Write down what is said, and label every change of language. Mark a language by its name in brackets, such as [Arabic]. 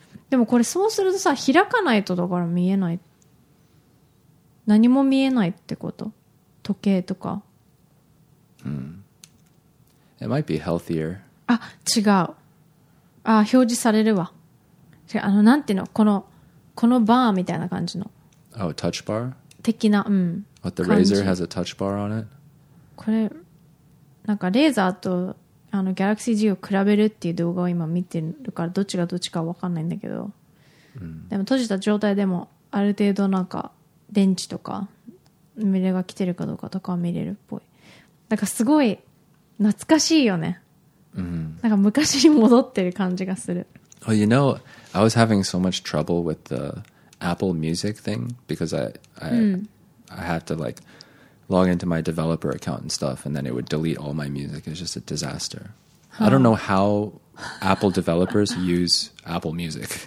[Japanese] でもこれそうするとさ、開かないとだから見えない。何も見えないってこと？時計とか。 [English] うん。It might be healthier. [Japanese] あ、違う。あ、表示されるわ。違う、あの、なんていうの？このバーみたいな感じの。 [English] Oh, touch bar? [Japanese] 的な、うん。 [English] But the razor has a touch bar on it? [Japanese] これ。なんかレーザーとあのギャラクシー G を比べるっていう動画を今見てるからどっちがどっちか分かんないんだけど、うん、でも閉じた状態でもある程度なんか電池とかメールが来てるかどうかとかは見れるっぽい。なんかすごい懐かしいよね、うん、なんか昔に戻ってる感じがする。 [English] Well, you know, I was having so much trouble with the Apple Music thing because I had to likelog into my developer account and stuff, and then it would delete all my music. It's just a disaster. I don't know how Apple developers use Apple Music.